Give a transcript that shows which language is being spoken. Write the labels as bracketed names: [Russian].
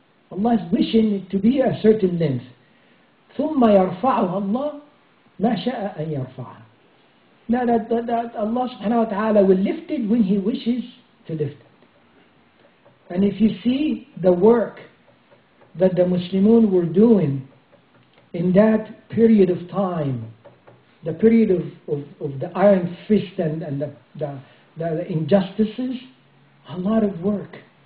[English] Allah is wishing it to be a certain length. [Arabic] ثم يرفعها الله ما شاء أن يرفعها. [English] Now that Allah subhanahu wa ta'ala will lift it when He wishes to lift it. And if you see the work that the Muslimun were doing in that period of time, the period of the iron fist and the injustices, a lot of work.